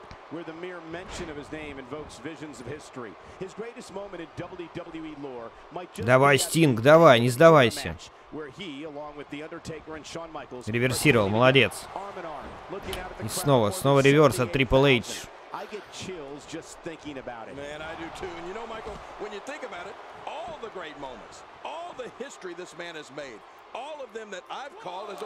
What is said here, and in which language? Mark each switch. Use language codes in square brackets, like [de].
[en] Where the mere mention of his name invokes visions of history. His greatest moment in WWE lore might just... [ru] Давай, Стинг, давай, не сдавайся. [en] Where he, along with the Undertaker and Shawn Michaels... [ru] Реверсировал, молодец. И снова, снова реверс от Triple H. [en] I get chills just thinking about it. Man, I do too. And you know, Michael, when you think about it, all the great moments, all the history this man has made, all of them that I've called as a...